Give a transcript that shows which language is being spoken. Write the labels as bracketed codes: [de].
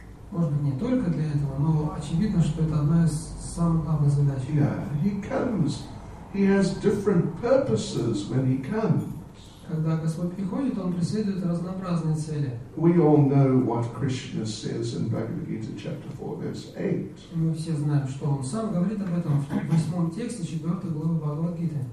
[ru] Может быть, не только для этого, но очевидно, что это одна из самых главных задач. [en] Yeah, he comes. He has different purposes when he comes. [ru] Когда Господь приходит, он преследует разнообразные цели. [en] We all know what Krishna says in Bhagavad Gita chapter 4, verse 8. [ru] Мы все знаем, что он сам говорит об этом в 8 тексте 4 главы Бхагавад Гиты.